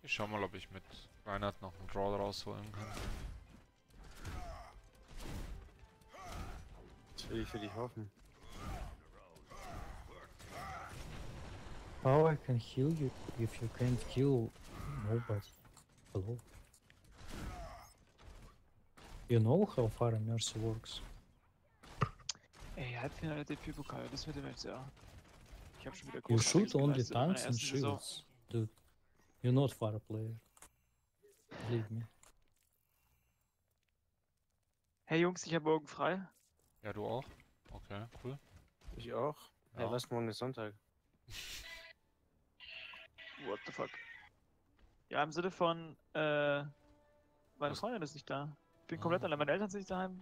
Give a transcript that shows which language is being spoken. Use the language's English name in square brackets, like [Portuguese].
[German] Ich schau mal, ob ich mit Reinhardt noch einen Draw rausholen kann. Das will ich für dich hoffen. [English] How I can heal you if you can't kill nobody? Hello? You know how far a Mercy works? [German] Ey, Halbfinale DP-Pokal, das wird im Match, ja. Ich hab schon wieder kurz. [English] You shoot only tanks and shields. Dude, you're not far a player. Believe me. [German] Hey Jungs, ich hab morgen frei. Ja, du auch? Okay, cool. Ich auch. Ja. Hey, was, morgen ist Sonntag? [English] What the fuck? [German] Ja, im Sinne von, meine Freundin ist nicht da. Ich bin komplett allein. Meine Eltern sind nicht daheim.